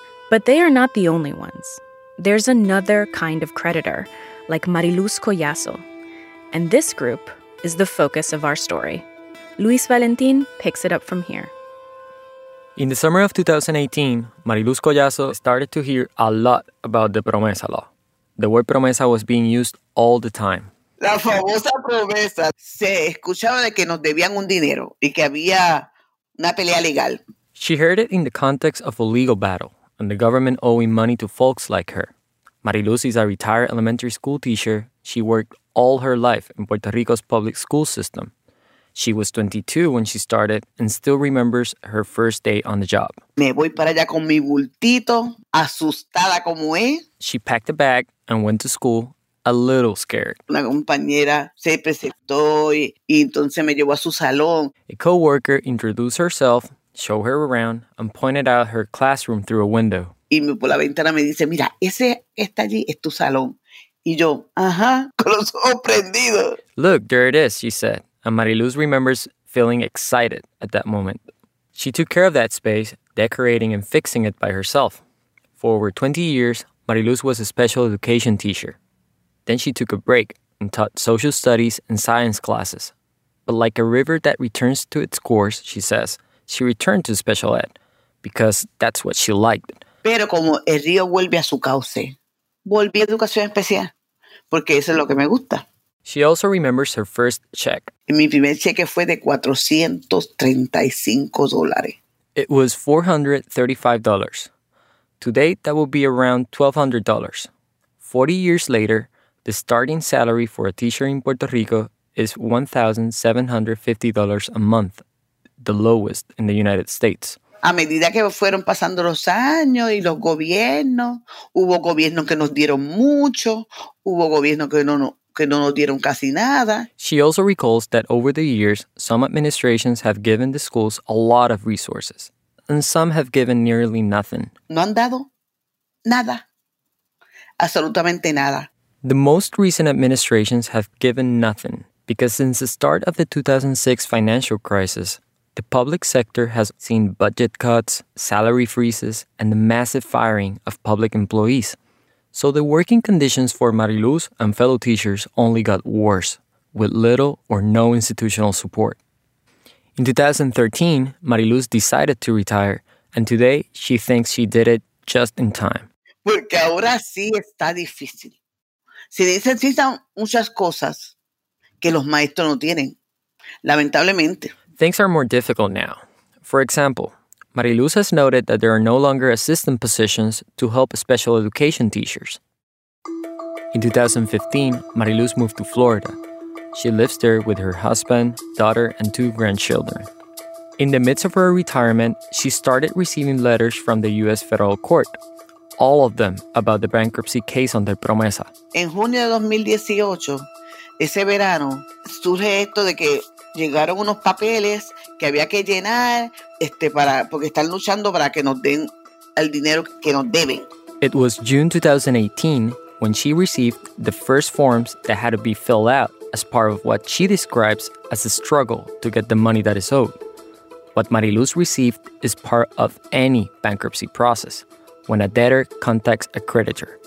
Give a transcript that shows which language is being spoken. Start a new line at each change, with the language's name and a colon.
English: But they are not the only ones. There's another kind of creditor, like Mariluz Collazo. And this group is the focus of our story. Luis Valentín picks it up from here. In the summer of 2018, Mariluz Collazo started to hear a lot about the Promesa law. The word Promesa was being used all the time.
Spanish: La famosa promesa. Se escuchaba de que nos debían un dinero y que había Una pelea legal.
English: She heard it in the context of a legal battle and the government owing money to folks like her. Mariluz is a retired elementary school teacher. She worked all her life in Puerto Rico's public school system. She was 22 when she started and still remembers her first day on the job.
Spanish: Me voy para allá con mi bultito, asustada como es.
English: She packed a bag and went to school, a little scared.
Spanish: Una compañera se presentó y entonces me llevó a su salón.
English: A co-worker introduced herself, showed her around, and pointed out her classroom through a window.
Spanish: Y por la ventana me dice, mira, ese está allí, es tu salón. Y yo, ajá, con los ojos prendidos.
English: Look, there it is, she said. And Mariluz remembers feeling excited at that moment. She took care of that space, decorating and fixing it by herself. For over 20 years, Mariluz was a special education teacher. Then she took a break and taught social studies and science classes. But like a river that returns to its course, she says, she returned to special ed because that's what she liked.
Spanish: Pero como el río vuelve a su cauce, volví a educación especial porque eso es lo que me gusta.
English: She also remembers her first check.
Spanish: Mi primer cheque fue de $435.
English: It was $435. Today, that would be around $1,200. 40 years later, the starting salary for a teacher in Puerto Rico is $1,750 a month, the lowest in the United States.
Spanish: A medida que fueron pasando los años y los gobiernos, hubo gobiernos que nos dieron mucho, hubo gobiernos que no nos dieron casi nada.
English: She also recalls that over the years, some administrations have given the schools a lot of resources, and some have given nearly nothing.
Spanish: No han dado nada. Absolutamente nada.
English: The most recent administrations have given nothing, because since the start of the 2006 financial crisis, the public sector has seen budget cuts, salary freezes, and the massive firing of public employees. So the working conditions for Mariluz and fellow teachers only got worse, with little or no institutional support. In 2013, Mariluz decided to retire, and today she thinks she did it just in time.
Spanish: Porque ahora sí está difícil. Se necesitan muchas cosas que los maestros no tienen, lamentablemente.
English: Things are more difficult now. For example, Mariluz has noted that there are no longer assistant positions to help special education teachers. In 2015, Mariluz moved to Florida. She lives there with her husband, daughter, and two grandchildren. In the midst of her retirement, she started receiving letters from the U.S. federal court, all of them about the bankruptcy case under Promesa.
Spanish: En junio de 2018, ese verano, surge esto de que llegaron unos papeles que había que llenar porque están luchando para que nos den el dinero que nos deben.
English: It was June 2018 when she received the first forms that had to be filled out as part of what she describes as a struggle to get the money that is owed. What Mariluz received is part of any bankruptcy process when a debtor contacts a creditor.